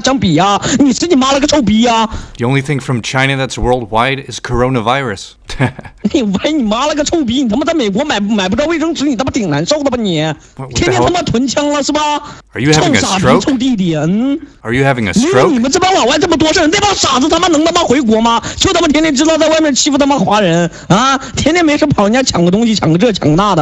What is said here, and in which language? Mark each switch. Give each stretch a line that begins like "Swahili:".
Chinese: 会不会说点他妈的中文？操你妈的！你他妈了个臭逼！你能他妈像我这样说话说的那么流畅啊？我他妈能用他妈的几千个不同的文字同时问候你18辈祖宗？你他妈美国也才他妈不到两三百年的历史，撑死400年！操你妈的！你能他妈跟中国5000年文化相比啊？你是你妈了个臭逼啊！
English: The only thing from China that's worldwide is coronavirus.
Chinese: 你妈了个臭逼！你他妈在美国买不着卫生纸，你他妈挺难受的吧你？天天他妈囤枪了是吧？
English: Are you having a stroke?
Chinese: 臭傻逼，臭弟弟！嗯，你们 这帮老外这么多事，那帮傻子他妈能他妈回国吗？就他妈天天知道在外面欺负他妈华人啊！天天没事跑人家抢个东西，抢个这抢个那的。